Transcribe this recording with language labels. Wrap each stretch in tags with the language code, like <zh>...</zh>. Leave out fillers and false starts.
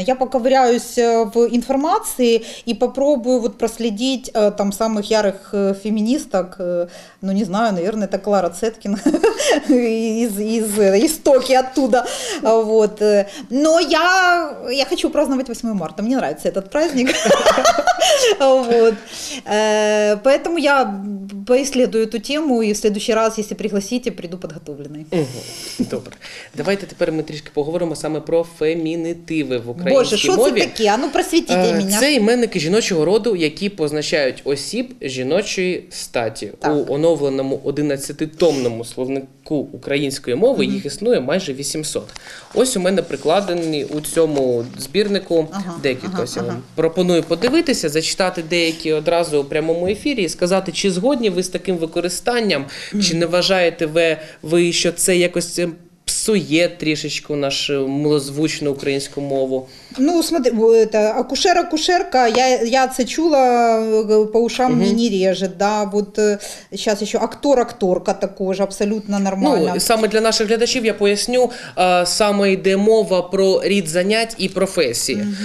<ru>Я поковыряюсь в информации и попробую вот проследить там самых ярых феминисток, ну не знаю, наверное, это Клара Цеткин из истоки оттуда. Вот. Но я хочу праздновать 8 марта, мне нравится этот праздник. Вот. Поэтому я поисследую эту тему, и в следующий раз, если пригласите, приду подготовленной.</ru> <uk>Добре. Давайте тепер ми трішки поговоримо саме про фемінітиви в українській мові. Боже, що це таке? А ну просвітіть мене. Це іменники жіночого роду, які позначають осіб жіночої статі. Так. У оновленому 11-томному словнику української мови mm-hmm. їх існує майже 800. Ось у мене прикладені у цьому збірнику декілька. Пропоную подивитися, зачитати деякі одразу у прямому ефірі і сказати, чи згодні ви з таким використанням, mm-hmm. чи не вважаєте ви, що це якось... псує трішечку нашу милозвучну українську мову.</uk> <ru>Ну, смотри, это акушерка,</ru> <uk>я це чула</uk> <ru>по ушам угу. не реже, да. Вот сейчас ещё акторка</ru> <uk>також</uk> <ru>абсолютно нормально.</ru> <uk>Ну, саме для наших глядачів я поясню, саме йде мова про рід занять і професії.</uk>